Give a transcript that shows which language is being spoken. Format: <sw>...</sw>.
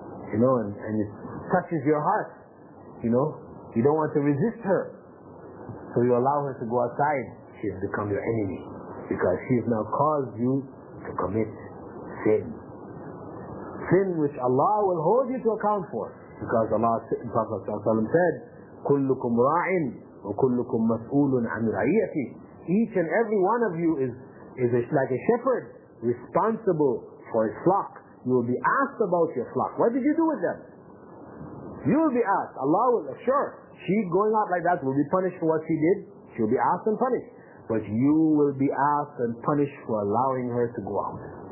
<en>You know, and it touches your heart. You know, you don't want to resist her. So you allow her to go outside. She has become your enemy because she has now caused you to commit sin. Sin which Allah will hold you to account for. Because Allah, Prophet ﷺ said,</en> <ar>كُلُّكُمْ رَاعٍ وَكُلُّكُمْ مَسْئُولٌ عَنْ رَعِيَتِي.</ar> <en>Each and every one of you is like a shepherd, responsible for his flock. You will be asked about your flock. What did you do with them? You will be asked. Allah will assure. She going out like that will be punished for what she did. She will be asked and punished. But you will be asked and punished for allowing her to go out.</en>